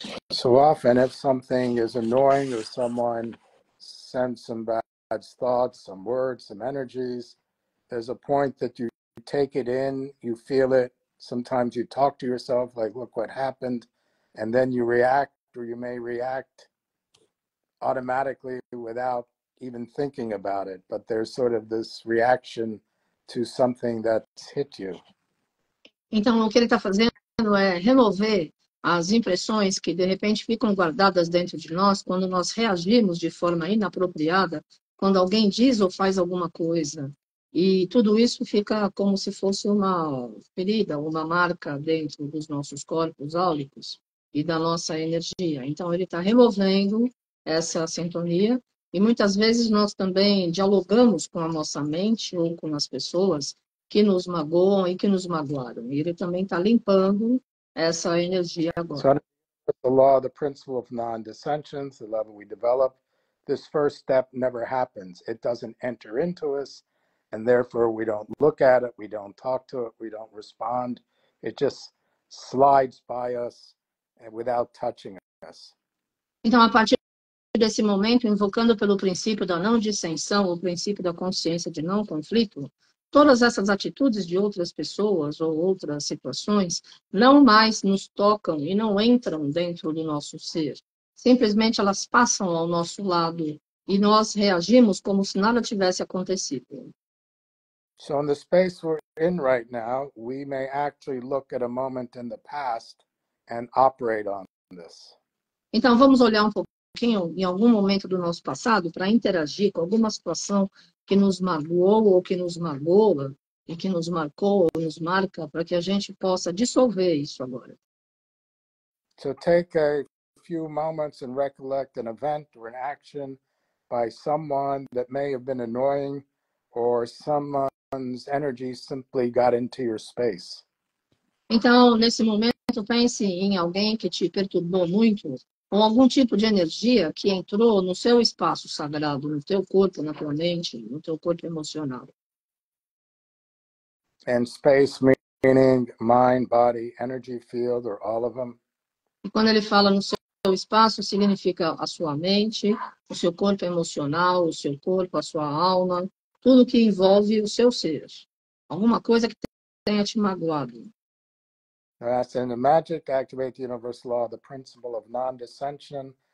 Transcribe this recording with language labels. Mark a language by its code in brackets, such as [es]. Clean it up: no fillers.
[en] So often, if something is annoying or someone sends some bad thoughts, some words, some energies, there's a point that you take it in, you feel it. Sometimes you talk to yourself, like, look what happened. And then you react, or you may react automatically without even thinking about it. But there's sort of this reaction to something that's hit you. [pt] Então, o que ele está fazendo é remover as impressões que de repente ficam guardadas dentro de nós quando nós reagimos de forma inapropriada, quando alguém diz ou faz alguma coisa. E tudo isso fica como se fosse uma ferida, uma marca dentro dos nossos corpos áulicos e da nossa energia. Então ele está removendo essa sintonia e muitas vezes nós também dialogamos com a nossa mente ou com as pessoas que nos magoam e que nos magoaram. E ele também está limpando essa energia agora. [en] So, the law, the principle of non-dissension, the level we develop, this first step never happens. It doesn't enter into us, and therefore we don't look at it, we don't talk to it, we don't respond. It just slides by us and without touching us. [pt] Então, a partir desse momento, invocando pelo princípio da não-dissensão, o princípio da consciência de não-conflito, todas essas atitudes de outras pessoas ou outras situações não mais nos tocam e não entram dentro do nosso ser. Simplesmente elas passam ao nosso lado e nós reagimos como se nada tivesse acontecido. [en] So in the space we're in right now, we may actually look at a moment in the past and operate on this. [pt] Então vamos olhar um pouquinho em algum momento do nosso passado para interagir com alguma situação que nos magoou ou que nos magoa e que nos marcou ou nos marca para que a gente possa dissolver isso agora. [en] So take a few moments and recollect an event or an action by someone that may have been annoying or someone's energy simply got into your space. [pt] Então, nesse momento, pense em alguém que te perturbou muito ou algum tipo de energia que entrou no seu espaço sagrado, no teu corpo, na tua mente, no teu corpo emocional. [en] And space meaning mind, body, energy field, or all of them. [pt] E quando ele fala no seu espaço, significa a sua mente, o seu corpo emocional, o seu corpo, a sua alma, tudo que envolve o seu ser. Alguma coisa que tenha te magoado. [en] That's in the magic, activate the universal law, the principle of non-dissension,